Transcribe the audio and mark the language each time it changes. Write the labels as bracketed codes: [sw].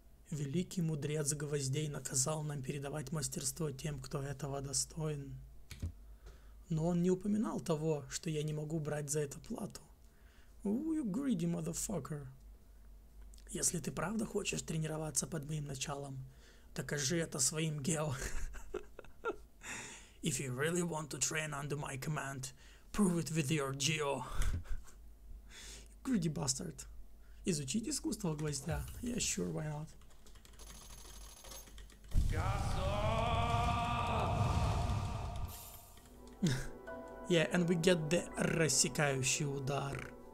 [ru] Великий мудрец гвоздей наказал нам передавать мастерство тем, кто этого достоин. Но он не упоминал того, что я не могу брать за это плату. [en] Ooh, you greedy motherfucker. [ru] Если ты правда хочешь тренироваться под моим началом, докажи это своим гео. [en] If you really want to train under my command, prove it with your geo. Greedy bastard. [ru] Изучить искусство гвоздя? [en] Yeah, sure, why not? Yeah, and we get the [ru] рассекающий удар.